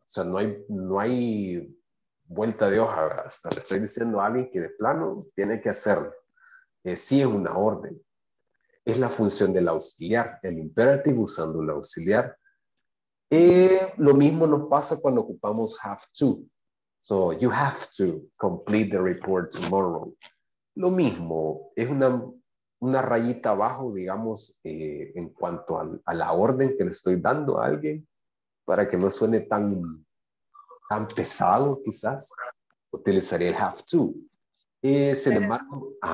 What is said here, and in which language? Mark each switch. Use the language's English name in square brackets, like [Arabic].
[Spanish] O sea, no hay vuelta de hoja, hasta le estoy diciendo a alguien que de plano tiene que hacerlo. Sí es una orden. Es la función del auxiliar, el imperative usando el auxiliar. Lo mismo nos pasa cuando ocupamos have to. [English] So, you have to complete the report tomorrow. [Spanish] Lo mismo, es una rayita abajo, digamos, en cuanto a la orden que le estoy dando a alguien, para que no suene tan pesado, quizás, utilizaría el have to. Sin embargo,